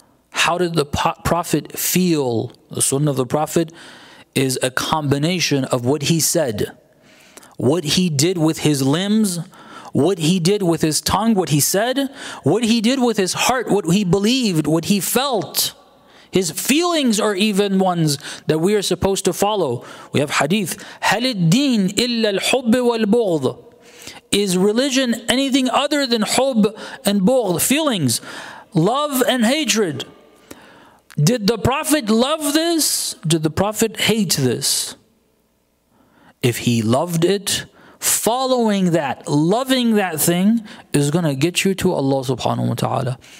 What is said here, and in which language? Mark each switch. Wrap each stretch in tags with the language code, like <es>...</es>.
<en>How did the Prophet feel? The Sunnah of the Prophet is a combination of what he said, what he did with his limbs, what he did with his tongue, what he said, what he did with his heart, what he believed, what he felt. His feelings are even ones that we are supposed to follow. We have hadith,</en> <ar>هَلِ الدِّينِ إِلَّا الْحُبِّ وَالْبُغْضِ.</ar> <en>Is religion anything other than hub and bughd, feelings, love and hatred? Did the Prophet love this? Did the Prophet hate this? If he loved it, following that, loving that thing is going to get you to Allah subhanahu wa ta'ala.</en>